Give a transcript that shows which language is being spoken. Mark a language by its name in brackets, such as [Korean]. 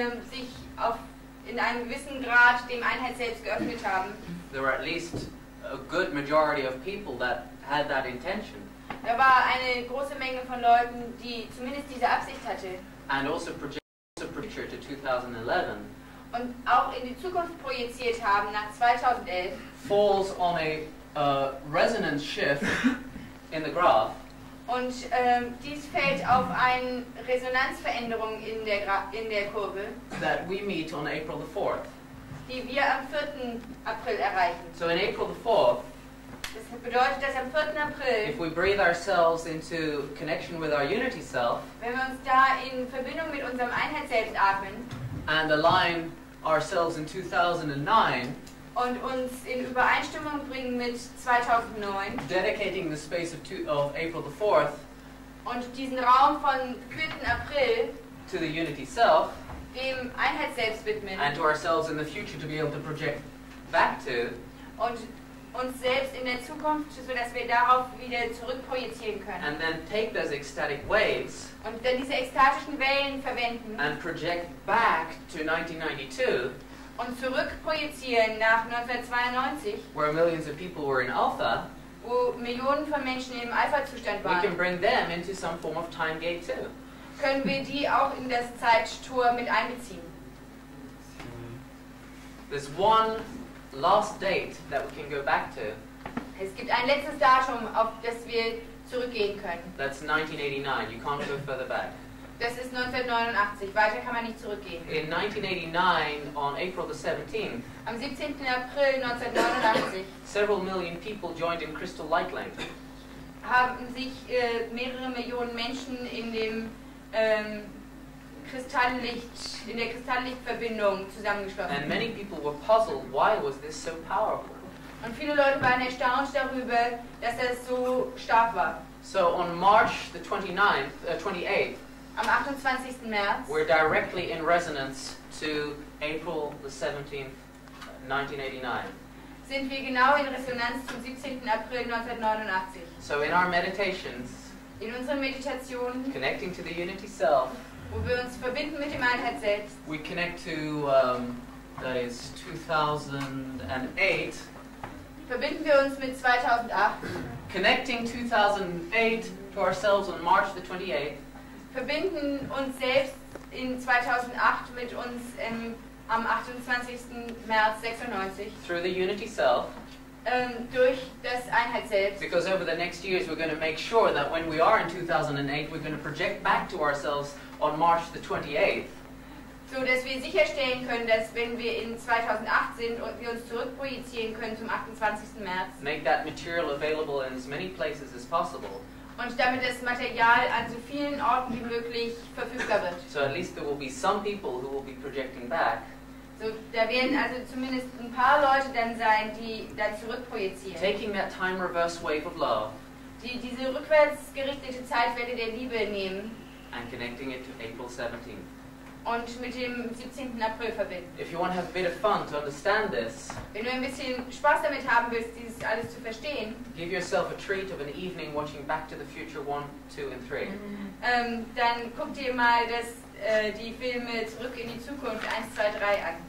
[German] Sich auf in einem gewissen Grad dem Einheitsselbst geöffnet haben. [English] There were at least a good majority of people that had that intention. [German] Da war eine große Menge von Leuten, die zumindest diese Absicht hatte. [English] And also projected to 2011. [German] Und auch in die Zukunft projiziert haben nach 2011. [English] Falls on a resonance shift in the graph. [German] Und dies fällt auf eine Resonanzveränderung in der Kurve. [English] That we meet on April the 4th. [German] Die wir am 4. April erreichen. [English] So in April the 4th. [German] Das bedeutet, dass am 4. April. [English] If we breathe ourselves into connection with our unity self. [German] Wenn wir uns da in Verbindung mit unserem Einheitsselbst atmen. [English] And align ourselves in 2009. [German] Und uns in Übereinstimmung bringen mit 2009. [English] Dedicating the space of April the 4th. [German] Und diesen Raum von 4. April. [English] To the unity self. [German] Dem Einheitsselbst widmen. [English] And to ourselves in the future to be able to project back to. [German] Und uns selbst in der Zukunft, so dass wir darauf wieder zurückprojizieren können. [English] And then take those ecstatic waves. [German] Und dann diese ekstatischen Wellen verwenden. [English] And project back to 1992. [German] Und zurückprojizieren nach 1992, [English] where millions of people were in Alpha, [German] wo Millionen von Menschen im Alpha-Zustand waren, [English] we can bring them into some form of time gate too. [German] Können wir die auch in das Zeittor mit einbeziehen? [English] There's one last date that we can go back to. [German] Es gibt ein letztes Datum, auf das wir zurückgehen können. [English] That's 1989. You can't go further back. [German] Das ist 1989. Weiter kann man nicht zurückgehen. [English] In 1989, on April the 17th, [German] am 17. April 1989, [English] several million people joined in crystal light length. [German] Haben sich mehrere Millionen Menschen in dem Kristalllicht, in der Kristalllichtverbindung zusammengeschlossen. [English] And many people were puzzled, why was this so powerful? [German] Und viele Leute waren erstaunt darüber, dass das so stark war. [English] So on March the 28th, [German] am 28. März. [English] We're directly in resonance to April the 17th, 1989. [German] Sind wir genau in Resonanz zum 17. April 1989. [English] So in our meditations. [German] In unseren Meditationen. [English] Connecting to the unity self. [German] Wo wir uns verbinden mit dem Einheitsselbst. [English] We connect to, that is 2008. [German] Verbinden wir uns mit 2008. [English] Connecting 2008 to ourselves on March the 28th. [German] Verbinden uns selbst in 2008 mit uns am 28. März 96. [English] Through the unity self. [German] Durch das Einheitsselbst. [English] Because over the next years we're going to make sure that when we are in 2008, we're going to project back to ourselves on March the 28th. [German] So dass wir sicherstellen können, dass wenn wir in 2008 sind und wir uns zurückprojizieren können zum 28. März. [English] Make that material available in as many places as possible. [German] Und damit das Material an so vielen Orten wie möglich verfügbar wird. [English] So at least there will be some people who will be projecting back. [German] So da werden also zumindest ein paar Leute dann sein, die da zurückprojizieren. [English] Taking that time reverse wave of love. [German] Die diese rückwärts gerichtete Zeitwelle der Liebe nehmen. [English] And connecting it to April 17th. [German] Und mit dem 17. April verbinden. [English] If you want to have a bit of fun to understand this, [German] wenn du ein bisschen Spaß damit haben willst, dieses alles zu verstehen, [English] give yourself a treat of an evening watching Back to the Future 1, 2 and 3. [German] Dann guck dir mal die Filme Zurück in die Zukunft 1, 2, 3 an.